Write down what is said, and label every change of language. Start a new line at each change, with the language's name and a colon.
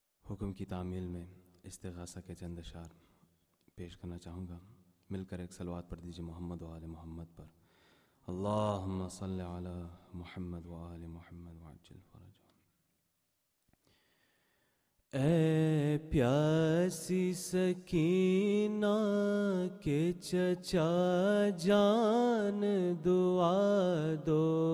Hindi: हुक्म की तामील में इस्तेगासा के चंद अशआर पेश करना चाहूँगा। मिलकर एक सलवात पढ़ दीजिए मोहम्मद व आल मोहम्मद पर।
Arabic: اللهم صل على محمد وآل محمد وعجل فرجه।
Hindi: ऐ प्यासी सकीना के चचा जान दुआ दो,